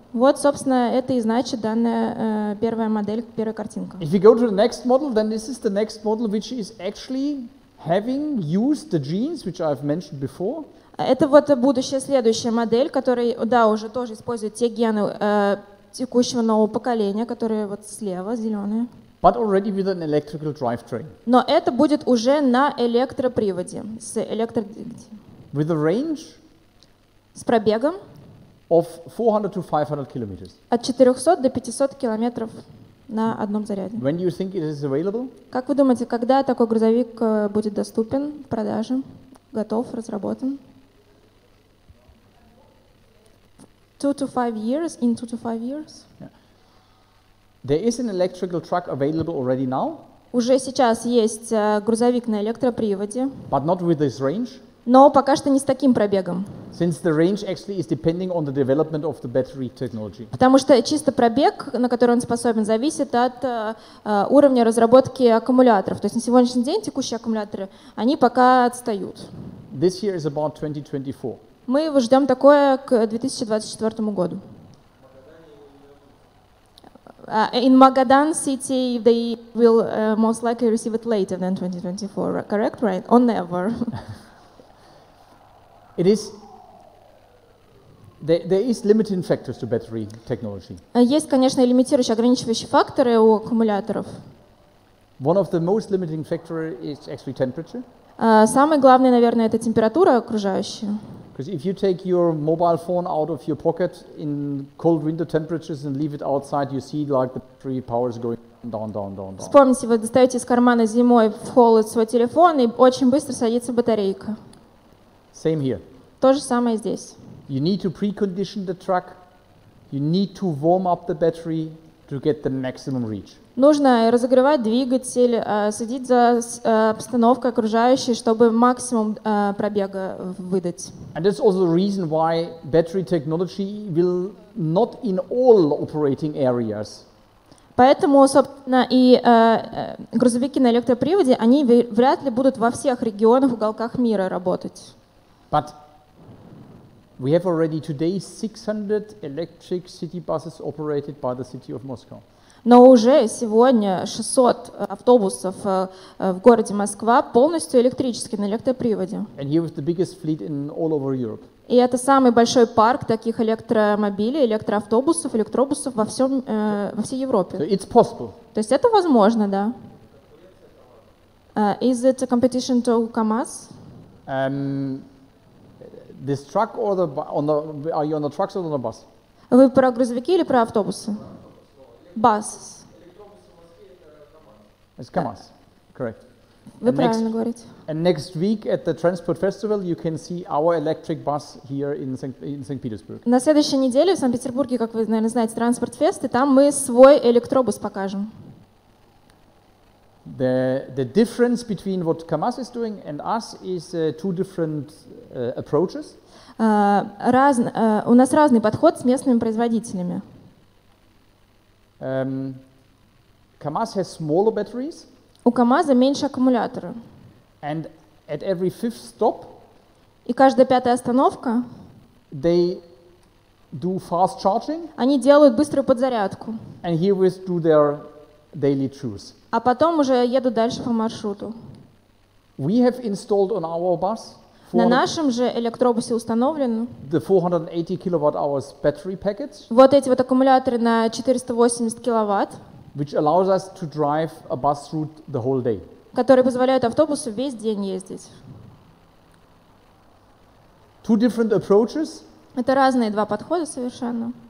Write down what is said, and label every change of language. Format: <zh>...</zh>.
<ru>Вот, собственно, это и значит данная первая модель, первая картинка.</ru> <en>If you go to the next model, then this is the next model, which is actually having used the genes, which I've mentioned before.</en> <ru>Это вот будущая, следующая модель, которая, да, уже тоже использует те гены текущего нового поколения, которые вот слева, зеленые.</ru> <en>But already with an electrical drivetrain.</en> <ru>Но это будет уже на электроприводе, с электродвигателем.</ru> <en>With a range</en> <ru>с пробегом</ru> <en>of 400 to 500 kilometers.</en> <ru>От 400 до 500 километров на одном заряде.</ru> <en>When do you think it is available?</en> <ru>Как вы думаете, когда такой грузовик будет доступен в продаже, готов, разработан?</ru> <en>2 to 5 years, in 2 to 5 years. Yeah. There is an electrical truck available already now.</en> <ru>Уже сейчас есть грузовик на электроприводе.</ru> <en>But not with this range.</en> <ru>Но пока что не с таким пробегом.</ru> <en>Since the range actually is depending on the development of the battery technology.</en> <ru>Потому что чисто пробег, на который он способен, зависит от уровня разработки аккумуляторов. То есть на сегодняшний день текущие аккумуляторы, они пока отстают.</ru> <en>This year is about 2024.</en> <ru>Мы ждем такое к 2024 году.</ru> <en>In Magadan city, they will most likely receive it later than 2024, correct, right? Or never? It is. There is limiting factors to battery technology.</en> <ru>Есть, конечно, лимитирующие, ограничивающие факторы у аккумуляторов.</ru> <en>One of the most limiting factors is actually temperature.</en> <ru>Самый главный, наверное, это температура окружающая.</ru> <en>Because if you take your mobile phone out of your pocket in cold winter temperatures and leave it outside, you see like the battery power is going down, down, down, down.</en> <ru>Вспомните, вы достаете из кармана зимой в холод свой телефон, и очень быстро садится батарейка.</ru> <en>Same here.</en> <ru>То же самое здесь.</ru> <en>You need to precondition the truck. You need to warm up the battery to get the maximum reach.</en> <ru>Нужно разогревать двигатель, следить за обстановкой окружающей, чтобы максимум пробега выдать.</ru> <en>And that's also the reason why battery technology will not in all operating areas.</en> <ru>Поэтому, собственно, и грузовики на электроприводе, они вряд ли будут во всех регионах, уголках мира работать.</ru> <en>But we have already today 600 electric city buses operated by the city of Moscow.</en> <ru>Но уже сегодня 600 автобусов в городе Москва полностью электрические на электроприводе.</ru> <en>And here is the biggest fleet in all over Europe.</en> <ru>И это самый большой парк таких электромобилей, электроавтобусов, электробусов во всем во всей Европе.</ru> <en>So it's possible.</en> <ru>То есть это возможно, да?</ru> <en>Is it a competition to КамАЗ? This truck or the on the are you on the trucks or on the bus?</en> <ru>Вы про грузовики или про автобусы?</ru> <en>Bus. It's КамАЗ. Correct.</en> <ru>Вы правильно говорите.</ru> <en>And next week at the Transport Festival you can see our electric bus here in St. Petersburg.</en> <ru>На следующей неделе в Санкт-Петербурге, как вы, наверное, знаете, Transport Fest, и там мы свой электробус покажем.</ru> <en>The difference between what КамАЗ is doing and us is two different approaches.</en> <ru>У нас разный подход с местными производителями.</ru> <en>КамАЗ has smaller batteries.</en> <ru>У КамАЗа меньше аккумулятора.</ru> <en>And at every fifth stop.</en> <ru>И каждая пятая остановка.</ru> <en>They do fast charging.</en> <ru>Они делают быструю подзарядку.</ru> <en>And here we do their daily trips.</en> <ru>А потом уже еду дальше по маршруту.</ru> <en>We have installed on our bus.</en> <ru>На нашем же электробусе установлен</ru> <en>the 480 kilowatt-hours battery package.</en> <ru>Вот эти вот аккумуляторы на 480 киловатт,</ru> <en>which allows us to drive a bus route the whole day.</en> <ru>Которые позволяют автобусу весь день ездить.</ru> <en>Two different approaches.</en> <ru>Это разные два подхода совершенно.</ru>